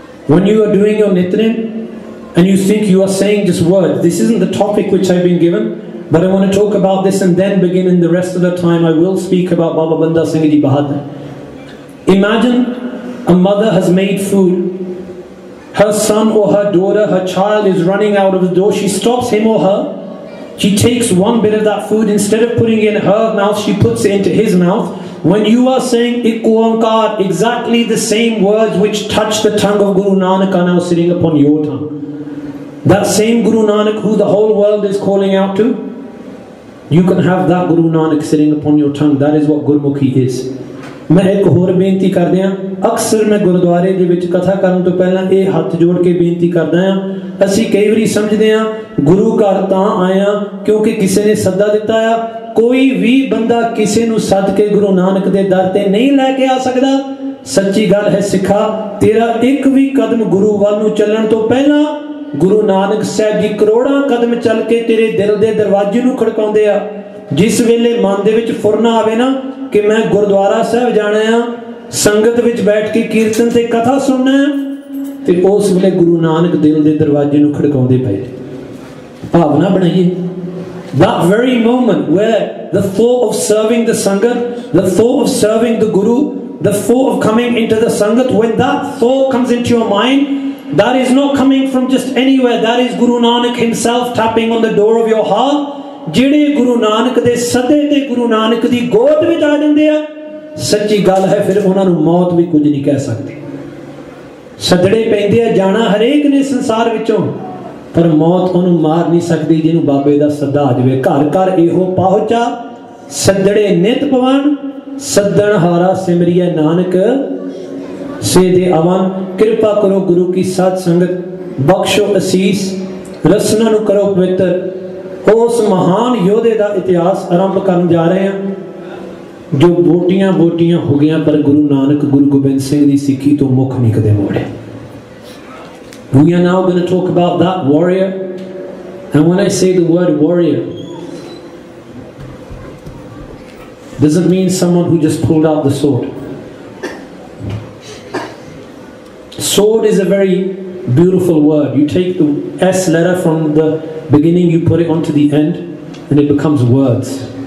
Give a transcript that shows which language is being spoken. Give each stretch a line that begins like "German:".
English: When you are doing your Nitnem and you think you are saying this word, this isn't the topic which I been given, but I want to talk about this and then begin in the rest of the time I will speak about Baba Banda Singh ji Bahadur. Imagine a mother has made food, her son or her daughter her child is running out of the door, she stops him or her, she takes one bit of that food, instead of putting it in her mouth, she puts it into his mouth. When you are saying ik onkar, exactly the same words which touch the tongue of Guru Nanak are now sitting upon your tongue. That same Guru Nanak who the whole world is calling out to, you can have that Guru Nanak sitting upon your tongue. That is what Gurmukhi is.
Punjabi: ਮੈਂ ਇੱਕ ਹੋਰ ਬੇਨਤੀ ਕਰਦੇ ਹਾਂ, ਅਕਸਰ ਮੈਂ ਗੁਰਦੁਆਰੇ ਦੇ ਵਿੱਚ ਕਥਾ ਕਰਨ ਤੋਂ ਪਹਿਲਾਂ ਇਹ ਹੱਥ ਜੋੜ ਕੇ ਬੇਨਤੀ ਕਰਦਾ ਹਾਂ। ਅਸੀਂ ਕਈ ਵਾਰੀ ਸਮਝਦੇ ਹਾਂ ਗੁਰੂ ਘਰ ਤਾਂ ਆਇਆ ਕਿਉਂਕਿ ਕਿਸੇ ਨੇ ਸੱਦਾ ਦਿੱਤਾ ਆ। ਕੋਈ ਵੀ ਬੰਦਾ ਕਿਸੇ ਨੂੰ ਸੱਦ ਕੇ ਗੁਰੂ ਨਾਨਕ ਦੇ ਦਰ ਤੇ ਨਹੀਂ ਲੈ ਕੇ ਆ ਸਕਦਾ। ਸੱਚੀ ਗੱਲ ਹੈ ਸਿੱਖਾ, ਤੇਰਾ ਇੱਕ ਵੀ ਕਦਮ ਗੁਰੂ ਵੱਲ ਨੂੰ ਚੱਲਣ ਤੋਂ ਪਹਿਲਾਂ ਗੁਰੂ ਨਾਨਕ ਸਾਹਿਬ ਜੀ ਕਰੋੜਾਂ ਕਦਮ ਚੱਲ ਕੇ ਤੇਰੇ ਦਿਲ ਦੇ ਦਰਵਾਜ਼ੇ ਨੂੰ ਖੜਕਾਉਂਦੇ ਆ। ਜਿਸ ਵੇਲੇ ਮਨ ਦੇ ਵਿੱਚ ਫੁਰਨਾ ਆਵੇ ਨਾ ਕਿ ਮੈਂ ਗੁਰਦੁਆਰਾ ਸਾਹਿਬ ਜਾਣਾ ਆ, ਸੰਗਤ ਵਿੱਚ ਬੈਠ ਕੇ ਕੀਰਤਨ ਤੇ ਕਥਾ ਸੁਣਨਾ ਹੈ, ਤੇ ਉਸ ਵੇਲੇ ਗੁਰੂ ਨਾਨਕ ਦਿਲ ਦੇ ਦਰਵਾਜ਼ੇ ਨੂੰ ਖੜਕਾਉਂਦੇ ਪਏ। ਭਾਵਨਾ ਬਣਾਈਏ,
English: that very moment where the thought of serving the sangat, the thought of serving the guru, the thought of coming into the sangat, when that thought comes into your mind, that is not coming from just anywhere, that is Guru Nanak himself tapping on the door of your heart.
Punjabi: ਜਿਹੜੇ ਗੁਰੂ ਨਾਨਕ ਦੇ ਸੱਦੇ ਤੇ ਗੁਰੂ ਨਾਨਕ ਦੀ ਗੋਦ ਵਿੱਚ ਆ ਜਾਂਦੇ ਆ, ਸੱਚੀ ਗੱਲ ਹੈ ਫਿਰ ਉਹਨਾਂ ਨੂੰ ਮੌਤ ਵੀ ਕੁਝ ਨਹੀਂ ਕਹਿ ਸਕਦੀ। ਸੱਦੜੇ ਪੈਂਦੇ ਆ, ਜਾਣਾ ਹਰੇਕ ਨੇ ਸੰਸਾਰ ਵਿੱਚੋਂ, ਪਰ ਮੌਤ ਉਹਨੂੰ ਮਾਰ ਨਹੀਂ ਸਕਦੀ ਜਿਹਨੂੰ ਬਾਬੇ ਦਾ ਸੱਦਾ ਆ ਜਾਵੇ। ਘਰ ਘਰ ਇਹੋ ਪਹੁੰਚਾ, ਸੱਦੜੇ ਨਿਤ ਪਵਨ, ਸੱਦਣ ਹਾਰਾ ਸਿਮਰੀਏ ਨਾਨਕ ਸੇ ਦੇ ਅਵਨ। ਕਿਰਪਾ ਕਰੋ ਗੁਰੂ ਕੀ ਸਾਧ ਸੰਗਤ, ਬਖਸ਼ੋ ਅਸੀਸ, ਰਸਨਾ ਨੂੰ ਕਰੋ ਪਵਿੱਤਰ। ਉਸ ਮਹਾਨ ਯੋਧੇ ਦਾ ਇਤਿਹਾਸ ਆਰੰਭ ਕਰਨ ਜਾ ਰਹੇ ਹਾਂ ਜੋ ਬੋਟੀਆਂ ਬੋਟੀਆਂ ਹੋ ਗਈਆਂ ਪਰ ਗੁਰੂ ਨਾਨਕ ਗੁਰੂ ਗੋਬਿੰਦ ਸਿੰਘ ਦੀ ਸਿੱਖੀ ਤੋਂ ਮੁੱਖ ਨਹੀਂ ਕਦੇ ਮੋੜਿਆ।
English: We are now going to talk about that warrior. And when I say the word warrior, doesn't mean someone who just pulled out the sword. Sword is a very beautiful word. You take the S letter from the beginning, you put it onto the end, and it becomes words.